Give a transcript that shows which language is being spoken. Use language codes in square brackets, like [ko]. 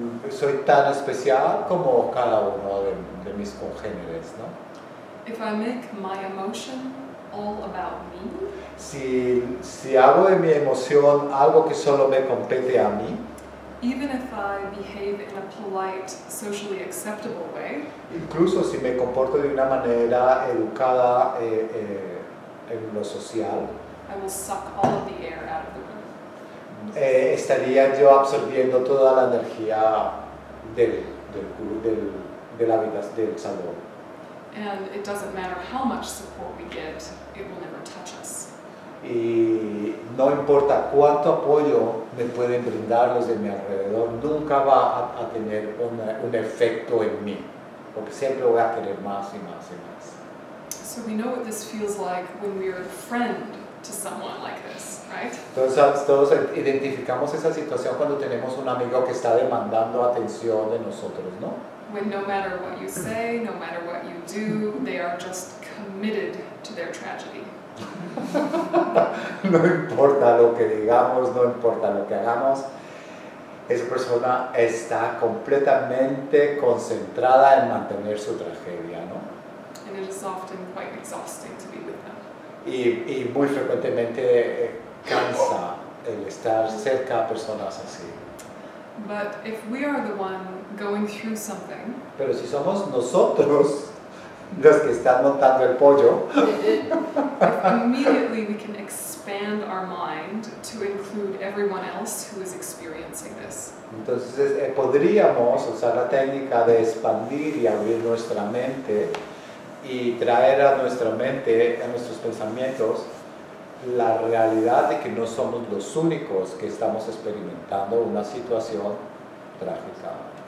[es] Soy tan especial como cada uno de mis congéneres, ¿no? [en] If I make my emotion all about me. [es] Si hago de mi emoción algo que solo me compete a mí. [en] Even if I behave in a polite, socially acceptable way. [es] Incluso si me comporto de una manera educada en lo social. [en] I will suck all of the air out of the room. [es] Estaría yo absorbiendo toda la energía del salón. [en] And it doesn't matter how much support we get, it will never touch us. [es] Y no importa cuánto apoyo me pueden brindar los de mi alrededor, nunca va a tener un efecto en mí, porque siempre voy a querer más y más y más. [en] So we know what this feels like when we are a friend to someone like this, right? [es] Entonces todos identificamos esa situación cuando tenemos un amigo que está demandando atención de nosotros, ¿no? [en] When no matter what you say, no matter what you do, they are just committed to their tragedy. [es] No importa lo que digamos, no importa lo que hagamos, esa persona está completamente concentrada en mantener su tragedia, ¿no? [en] And it is often quite exhausting to be with them. [es] Y muy frecuentemente cansa el estar cerca a personas así. [en] But if we are the one going through something, [es] pero si somos nosotros los que están montando el pollo, [en] immediately we can expand our mind to include everyone else who is experiencing this. [es] Entonces podríamos usar la técnica de expandir y abrir nuestra mente y traer a nuestra mente, a nuestros pensamientos, la realidad de que no somos los únicos que estamos experimentando una situación trágica.